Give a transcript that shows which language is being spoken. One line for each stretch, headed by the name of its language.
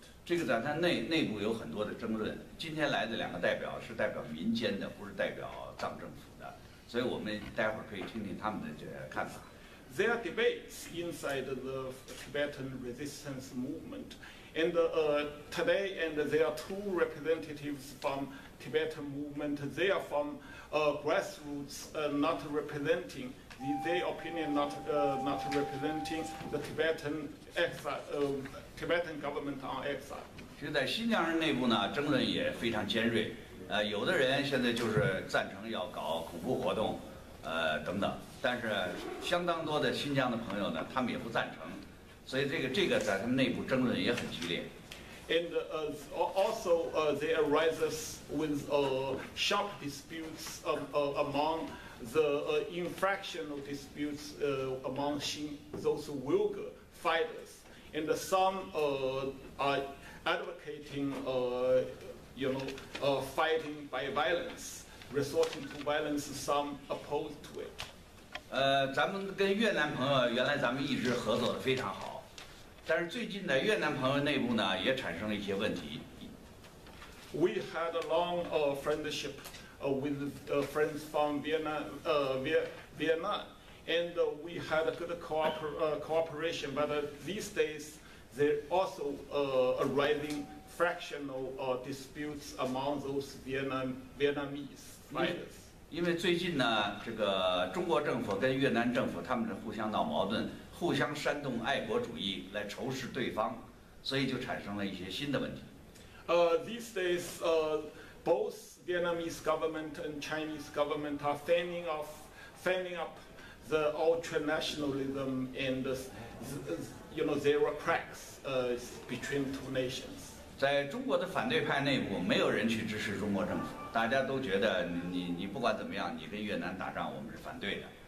Chinese: 这个在它内部有很多的争论。今天来的两个代表是代表民间的，不是代表藏政府的。所以我们待会儿可以听听他们的这些看法。
English: There are debates inside the Tibetan resistance movement, and today and there are two representatives from Tibetan movement. They are from grassroots, not representing their opinion, not representing the Tibetan exile, Tibetan government on exile.
Chinese: 其实，在新疆人内部呢，争论也非常尖锐。有的人现在就是赞成要搞恐怖活动，等等，但是相当多的新疆的朋友呢，他们也不赞成，所以这个在他们内部争论也很激烈。
English: And also there arises with sharp disputes among the infractional disputes among those Uyghur fighters, and some are advocating you know, fighting by violence, resorting to violence, some opposed to it.
Chinese: 咱们跟越南朋友原来咱们一直合作得非常好，但是最近的越南朋友内部呢也产生了一些问题。
English: We had a long friendship with friends from Vietnam, and we had a good cooperation, but these days they're also arriving. Fractional disputes among those Vietnamese fighters.
Chinese: 因为最近呢，这个中国政府跟越南政府他们是互相闹矛盾，互相煽动爱国主义来仇视对方，所以就产生了一些新的问题。
English: These days, both Vietnamese government and Chinese government are fanning up the ultranationalism and you know there are cracks between two nations.
Chinese: 在中国的反对派内部，没有人去支持中国政府，大家都觉得你不管怎么样，你跟越南打仗，我们是反对的。